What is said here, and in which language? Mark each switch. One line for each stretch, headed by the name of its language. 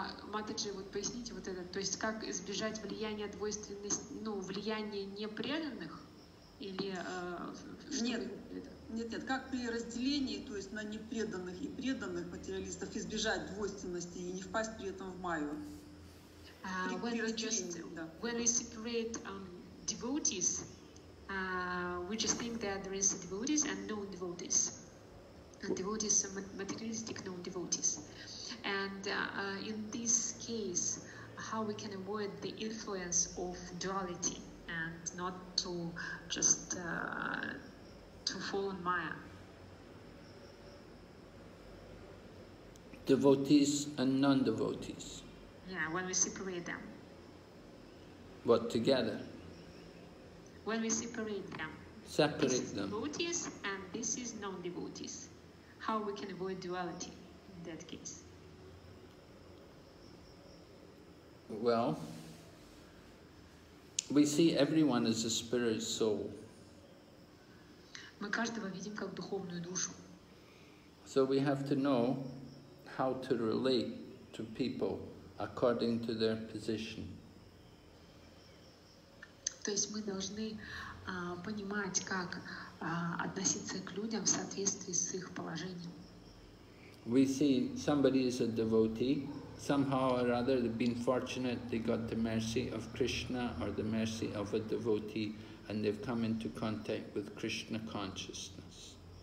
Russian: Матаджи, вот поясните вот это, то есть как избежать влияния двойственности, ну, влияния непреданных или... Нет, как при разделении, то есть на непреданных и преданных материалистов избежать двойственности и не впасть при этом в майю?
English: When we separate devotees, we just think that there is devotees and non-devotees. Devotees, materialistic non-devotees. And in this case, how we can avoid the influence of duality and not to just to fall in Maya? devotees and non-devotees. Yeah, when we separate them. What, together? When we separate them. Separate them. This is devotees and this is non-devotees. How we can avoid duality in that case? Well, we see everyone as a spirit soul.
Russian: Мы каждого видим как духовную душу.
English: So we have to know how to relate to people according to their position.
Russian: То есть мы должны понимать, как относиться к людям в соответствии с их положением.
English: We see somebody is a devotee. Somehow or other, they've been fortunate, they got the mercy of Krishna or the mercy of a devotee, and they've come into contact with Krishna consciousness.